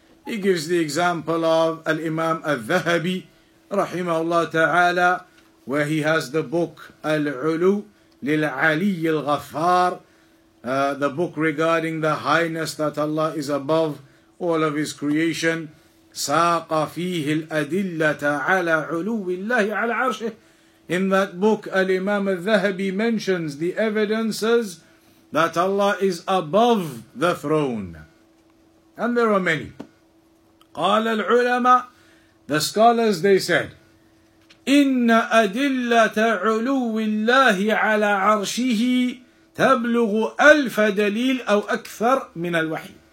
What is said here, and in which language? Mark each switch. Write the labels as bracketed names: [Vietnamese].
[English] He gives the example of Al-Imam Al-Dhahabi, rahimahullah ta'ala, where he has the book Al-Ulu lil-Ali al-Ghaffar, the book regarding the highness that Allah is above all of His creation. [Arabic] ساق فيه الأدلة على علو الله على عرشه. [English] In that book, Al-Imam al-Dhahabi mentions the evidences that Allah is above the throne. And there are many. [Arabic] قال العلماء, [English] the scholars, they said, [Arabic] إِنَّ أَدِلَّةَ عُلُوِّ اللَّهِ عَلَىٰ عَرْشِهِ تَبْلُغُ أَلْفَ دَلِيلٍ أَوْ أَكْثَرٍ مِنَ الْوَحِيِ.